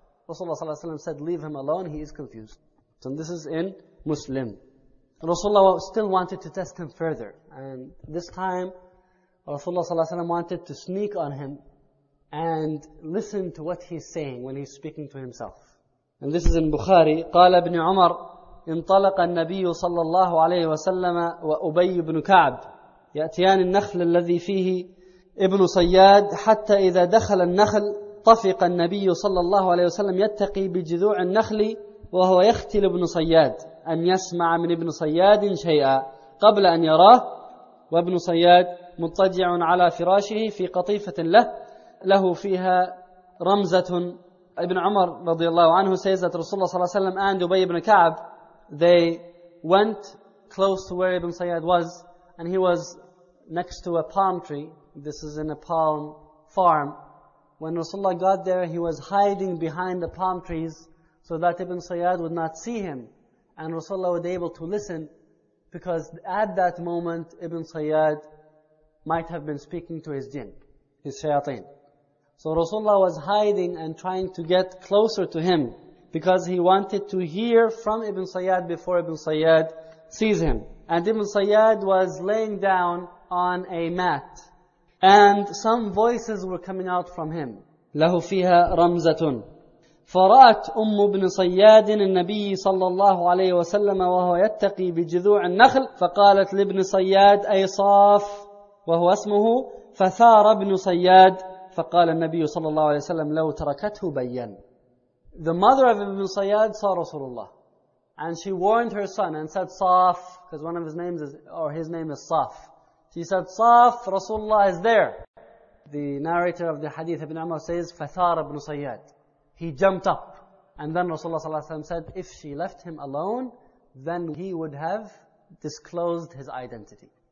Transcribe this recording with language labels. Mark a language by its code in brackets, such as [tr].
[en] Rasulullah sallallahu alayhi wa sallam said, leave him alone, he is confused. So this is in Muslim. Rasulullah still wanted to test him further. And this time, Rasulullah sallallahu alayhi wa sallam wanted to sneak on him and listen to what he's saying when he's speaking to himself. And this is in Bukhari. [ar] قَالَ ابْنِ عُمَرْ إِنْطَلَقَ النَّبِيُّ صَلَّى اللَّهُ عَلَيْهِ وَسَلَّمَ وَأُبَيُّ بْنُ كَعْبِ يَأْتِيَانِ النَّخْلَ الَّذِي فِيهِ ابْنُ صَيَّادِ حَتَّى إِذَا دَخَلَ النَّخْلَ طفق النبي صلى الله عليه وسلم يتقي بجذوع النخل وهو يختل ابن صياد أن يسمع من ابن صياد شيئا قبل أن يراه وابن صياد مضطجع على فراشه في قطيفة له فيها رمزة ابن عمر رضي الله عنه [en] says that Rasulullah صلى الله عليه وسلم and Ubay ibn Ka'b they went close to where ibn Sayyad was and he was next to a palm tree. This is in a palm farm. When Rasulullah got there, he was hiding behind the palm trees so that Ibn Sayyad would not see him. And Rasulullah would be able to listen because at that moment, Ibn Sayyad might have been speaking to his jinn, his shayateen. So Rasulullah was hiding and trying to get closer to him because he wanted to hear from Ibn Sayyad before Ibn Sayyad sees him. And Ibn Sayyad was laying down on a mat. And some voices were coming out from him. [ar] لَهُ فِيهَا رَمْزَةٌ فَرَأَتْ أُمُّ بْنِ صَيَّادٍ النَّبِيِّ صَلَّى اللَّهُ عَلَيْهِ وَسَلَّمَ وَهُوَ يَتَّقِي بِجِذُوعِ النَّخْلِ فَقَالَتْ لِبْنِ صَيَّادٍ أَيْ صَافٍ وَهُوَ أَسْمُهُ فَثَارَ بْنُ صَيَّادٍ فَقَالَ النَّبِيُّ صَلَّى اللَّهُ عَلَيْهِ وَسَلَّمَ لَوْ تَرَكَتْهُ بَيَّنَ. [en] The mother of Ibn Sayyad saw Rasulullah. And she warned her son and said, Saf, because one of his names is, or his name is Saf. She said, Saf, Rasulullah is there. The narrator of the hadith, Ibn Umar, says, Fathar ibn Sayyad. He jumped up. And then Rasulullah sallallahu alayhi wa sallam said, if she left him alone, then he would have disclosed his identity.